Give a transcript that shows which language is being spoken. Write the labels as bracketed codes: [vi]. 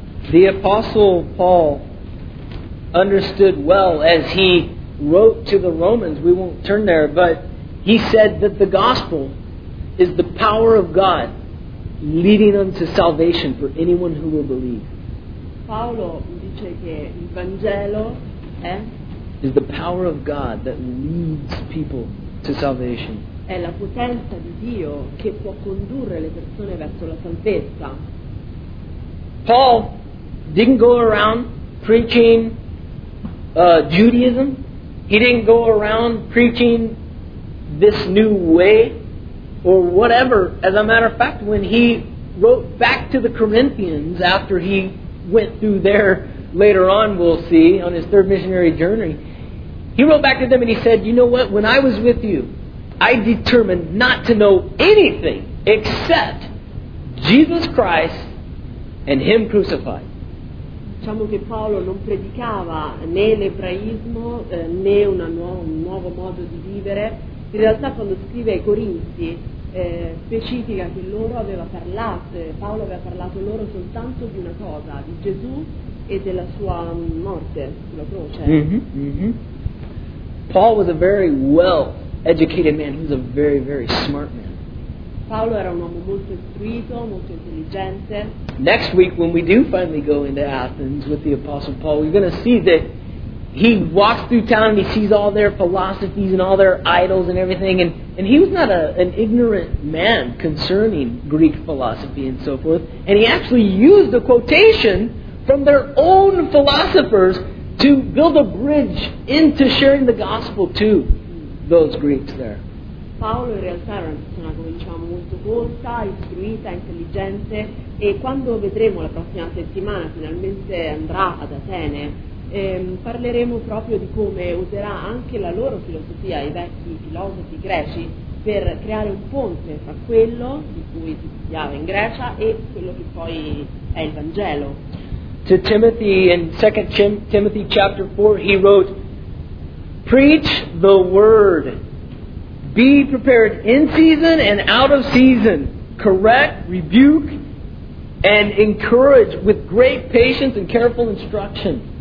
[en] The Apostle Paul understood well as he wrote to the Romans, we won't turn there, but he said that the gospel is the power of God leading unto salvation for anyone who will believe. [it] Paolo dice che il Vangelo è [en] is the power of God that leads people to salvation. [it] È la potenza di Dio che può condurre le persone verso la salvezza. [en] Paul didn't go around preaching Judaism. He didn't go around preaching this new way or whatever. As a matter of fact, when he wrote back to the Corinthians after he went through their later on we'll see on his third missionary journey, he wrote back to them and he said, you know what, when I was with you, I determined not to know anything except Jesus Christ and Him crucified. [it] Diciamo che Paolo non predicava né l'ebraismo né un nuovo modo di vivere. In realtà quando scrive ai Corinzi specifica che loro aveva parlato, Paolo aveva parlato loro soltanto di una cosa, di Gesù e della sua morte sulla croce. Mm-hmm, mm-hmm. [en] Paul was a very well educated man, he was a very, very smart man. [it] Paolo era un uomo molto istruito, molto intelligente. [en] Next week when we do finally go into Athens with the Apostle Paul, we're going to see that he walks through town and he sees all their philosophies and all their idols and everything, and he was not an ignorant man concerning Greek philosophy and so forth, and he actually used a quotation from their own philosophers to build a bridge into sharing the gospel too. Those Greeks there. [it] Paolo in realtà era una persona, come diciamo, molto colta, istruita, intelligente, e quando vedremo la prossima settimana, finalmente andrà ad Atene, parleremo proprio di come userà anche la loro filosofia, i vecchi filosofi greci, per creare un ponte tra quello di cui si studiava in Grecia e quello che poi è il Vangelo. [en] To Timothy, in 2 Timothy chapter 4, he wrote, preach the word. Be prepared in season and out of season. Correct, rebuke, and encourage with great patience and careful instruction.